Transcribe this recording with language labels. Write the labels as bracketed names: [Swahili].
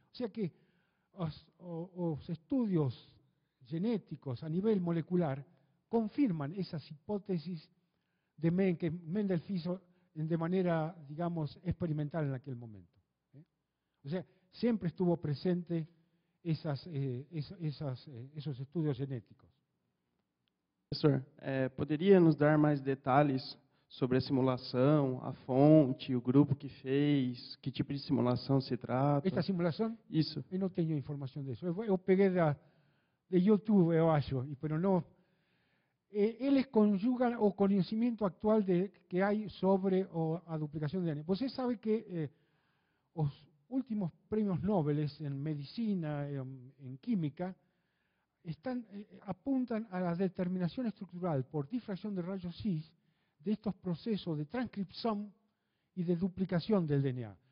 [Spanish] O sea que los estudios genéticos a nivel molecular confirman esas hipótesis de Mendel hizo de manera, digamos, experimental en aquel momento. O sea, siempre estuvo presente esos estudios genéticos. [Portuguese] Professor, poderia nos dar mais detalhes sobre a simulação, a fonte, o grupo que fez, que tipo de simulação se trata? Esta simulação? Isso. Eu não tenho informação disso. Eu peguei da YouTube, eu acho, mas não. Eles conjugam o conhecimento atual que há sobre a duplicação de DNA. Você sabe que os últimos prêmios Nobel em medicina, em química, [Spanish] apuntan a la determinación estructural por difracción de rayos X de estos procesos de transcripción y de duplicación del DNA.